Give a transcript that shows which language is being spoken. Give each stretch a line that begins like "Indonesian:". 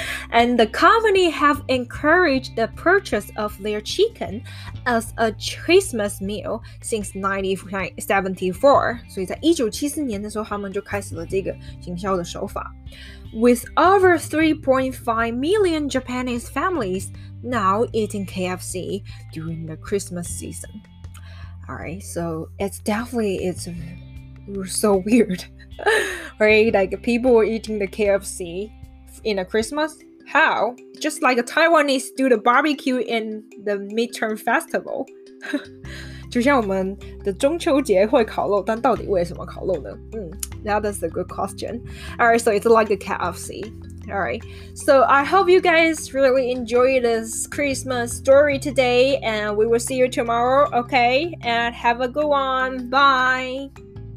English: And the company have encouraged the purchase of their chicken as a Christmas meal since 1974.
Chinese: 所以在1974年的时候，他们就开始了这个行销的手法。
English: With over 3.5 million Japanese families now eating KFC during the Christmas season. All right, so it's definitely so weird, right? Like people were eating the KFC in a Christmas. How? Just like a Taiwanese do the barbecue in the midterm festival.
Chinese: 就像我们的中秋节会烤肉，但到底为什么烤肉呢？
English: That is a good question. Alright, so it's like a KFC. Alright, so I hope you guys really enjoy this Christmas story today, and we will see you tomorrow, okay? And have a good one. Bye!